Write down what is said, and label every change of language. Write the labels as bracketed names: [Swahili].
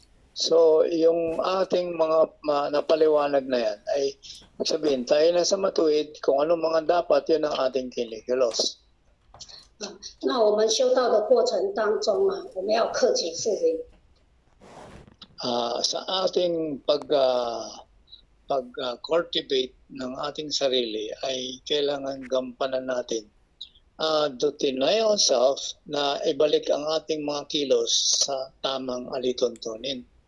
[Filipino] So, yung ating mga napaliwanag na yan ay sabihin, tayo na sa matuwid kung ano mga dapat, yun ang ating kinikilos. [Chinese] 那我们修道的过程当中啊，我们要克己复明。 [Filipino] Sa ating pag-cultivate ng ating sarili ay kailangan gampanan natin [English] to deny ourselves [Filipino] na ibalik ang ating mga kilos sa tamang alituntunin.